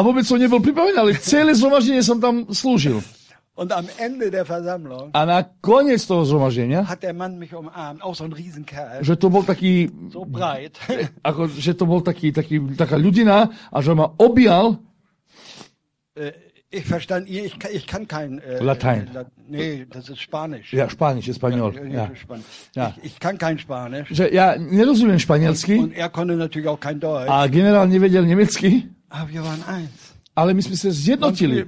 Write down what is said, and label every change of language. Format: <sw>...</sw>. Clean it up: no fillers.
<sk>A vôbec som nebol pripravený, ale celé zhromaždenie som tam slúžil.</sk> <de>Und am Ende der Versammlung.</de> <sk>A na koniec toho zhromaždenia.</sk> <de>Hat der Mann mich umarmt, auch so ein Riesenkerl.</de> <sk>Že to bol taký.</sk> <de>So breit.</de> <sk>Ako, že to bol taká ľudina, a že ma objal.</sk> <de>Ich verstand ihr, ich kann kein Latein. Das ist Spanisch. Ja, Spanisch, Espanol. Ja. Ich kann kein Spanisch.</de> <sk>Že ja nerozumiem španielsky.</sk> <de>Und er konnte natürlich auch kein Deutsch.</de> <sk>A generál nevedel nemecky.</sk> <de>Aber wir waren eins.</de> <sk>Ale my sme sa zjednotili.</sk>